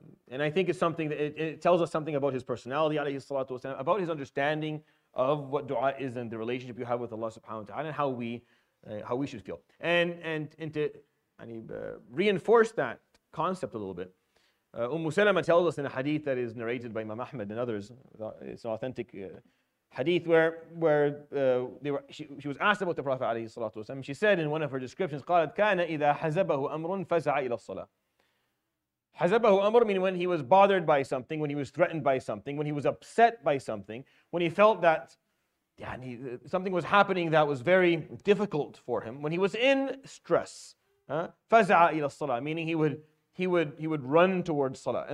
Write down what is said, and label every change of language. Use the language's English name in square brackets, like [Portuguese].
[English] And I think it's something that it tells us something about his personality, alayhi salatu wasalam, about his understanding of what dua is and the relationship you have with Allah subhanahu wa ta'ala, and how we should feel. And to reinforce that concept a little bit, Umm Salama tells us in a hadith that is narrated by Imam Ahmad and others, it's an authentic hadith where she was asked about the Prophet alayhi salatu wasalam. She said in one of her descriptions, [Arabic] قَالَتْ كَانَ إِذَا حَزَبَهُ أَمْرٌ فَزَعَ إِلَى الصَّلَاةِ. Hazabahu amr, [English] meaning when he was bothered by something, when he was threatened by something, when he was upset by something, when he felt that something was happening that was very difficult for him, when he was in stress, [Arabic] faza'a ila salah, [English] meaning he would run towards salah.